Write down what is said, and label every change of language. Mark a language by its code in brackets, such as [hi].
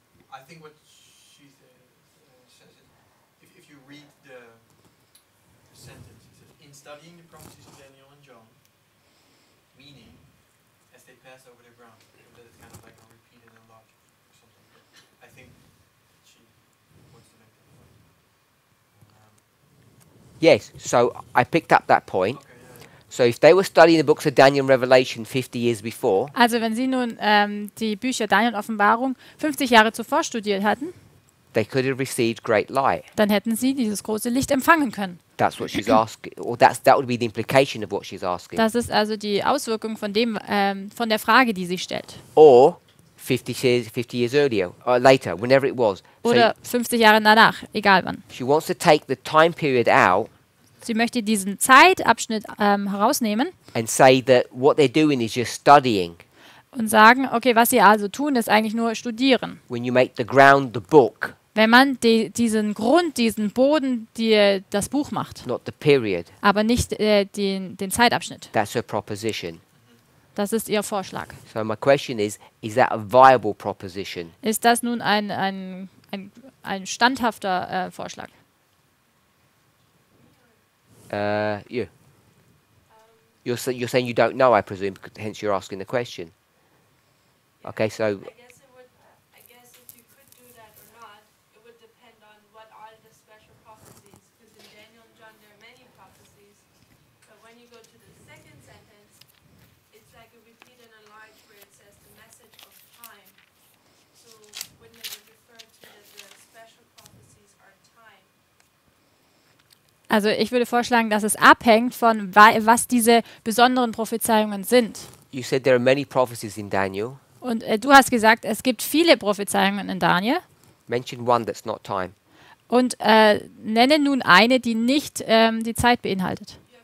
[en] I think what she says is, if you read the sentence, it says, in studying the prophecies of Daniel and John, meaning, as they pass over the ground, that it's kind of like repeated and logic. I think she wants to make that point. Yes, so I picked up that point. Okay, yeah. So if they were studying the books of Daniel and Revelation 50 years before, [de] also wenn sie nun die Bücher Daniel und Offenbarung 50 Jahre zuvor studiert hatten, [en] they could have received great light. [de] Dann hätten sie dieses große Licht empfangen können. [en] That's what she's asking, or that would be the implication of what she's asking. [de] Das ist also die Auswirkung von dem von der Frage, die sie stellt. [en] Or 50 years earlier or later, whenever it was. [de] Oder so 50 Jahre danach, egal wann. [en] She wants to take the time period out. [de] Sie möchte diesen Zeitabschnitt herausnehmen. [en] And say that what they're doing is just studying. [de] Und sagen, okay, was sie also tun, ist eigentlich nur studieren. [en] When you make the ground the book. [de] Wenn man diesen Grund, diesen Boden, das Buch macht. [en] Not the period. [de] Aber nicht den Zeitabschnitt. [en] That's her proposition. [de] Das ist ihr Vorschlag. [en] So my question is that a viable proposition? [de] Ist das nun ein standhafter Vorschlag? [en] You're saying you don't know, I presume, hence you're asking the question. Yeah. Okay, so I guess if you could do that or not, it would depend on what are the special prophecies. Because in Daniel and John there are many prophecies. But when you go to the second sentence, it's like a repeat and enlarge where it says the message of time. So wouldn't it refer to that the special prophecies are time? [de] Also ich würde vorschlagen, dass es abhängt von was diese besonderen Prophezeiungen sind. [en] You said there are many prophecies in Daniel. [de] Und du hast gesagt, es gibt viele Prophezeiungen in Daniel. [en] Mention one that's not time. [de] Und nenne nun eine, die nicht die Zeit beinhaltet.